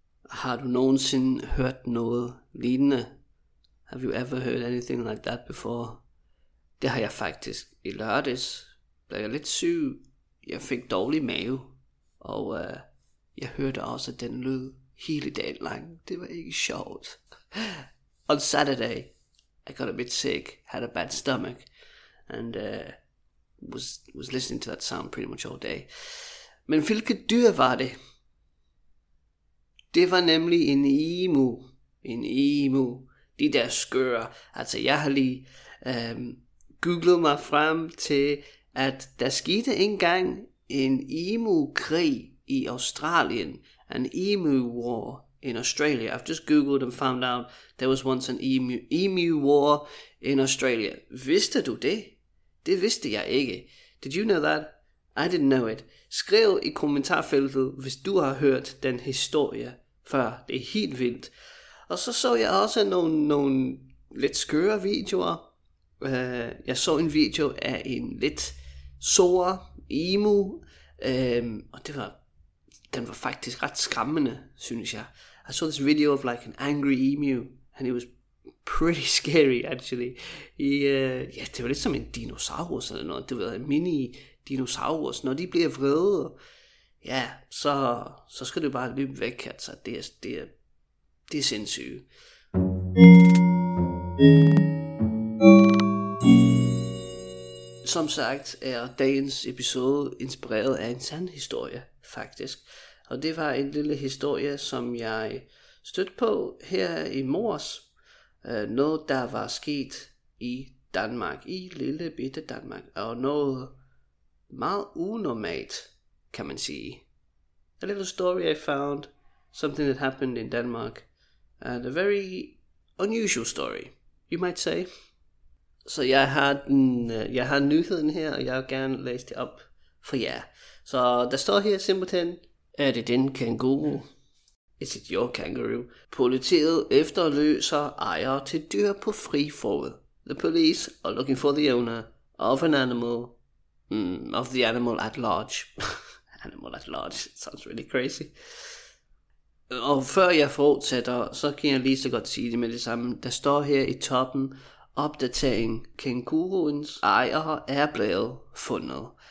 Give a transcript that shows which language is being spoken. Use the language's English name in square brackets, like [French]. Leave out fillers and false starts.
[Danish] Har du nogensinde hørt noget lignende? [English] Have you ever heard anything like that before? [Danish] Det har jeg faktisk. I lørdags blev jeg lidt syg. Jeg fik dårlig mave. Og jeg hørte også, at den lød hele dagen lang. Det var ikke sjovt. [English] On Saturday, I got a bit sick. Had a bad stomach. And was listening to that sound pretty much all day. [Danish] Men hvilket dyr var det? Det var nemlig en emu. En emu. De der skøre. Altså, jeg har lige googlet mig frem til, at der skete engang en emu-krig i Australien. [English] An emu war in Australia. I've just googled and found out there was once an emu war in Australia. [Danish] Vidste du det? Det vidste jeg ikke. [English] Did you know that? I didn't know it. [Danish] Skriv i kommentarfeltet, hvis du har hørt den historie før. Det er helt vildt. Og så jeg også nogle lidt skøre videoer. Jeg så en video af en lidt sore emu. Og den var faktisk ret skræmmende, synes jeg. [English] I saw this video of like an angry emu, and it was pretty scary actually. [Danish] Det var lidt som en dinosaurus eller noget. Det var en mini dinosaurus. Når de bliver vrede, ja, så skal du bare løbe væk, altså. Det er sindssygt. Som sagt er dagens episode inspireret af en sand historie, faktisk. Og det var en lille historie, som jeg stødte på her i morges. Noget, der var sket i Danmark, i lille bitte Danmark. Og noget meget unormalt, kan man sige. [English] A little story I found, something that happened in Denmark. And a very unusual story, you might say. [Danish] Så jeg har nyheden her, og jeg vil gerne læse det op for jer. Så der står her simpelthen, er det din kangaroo? [English] Is it your kangaroo? [Danish] Politiet efterlyser ejer til dyr på fri fod. [English] The police are looking for the owner of an animal. Of the animal at large. Animal at large, it sounds really crazy. [Danish] Og før jeg fortsætter, så kan jeg lige så godt sige det med det samme. Der står her i toppen, opdatering. Kanguruens ejer er blevet fundet.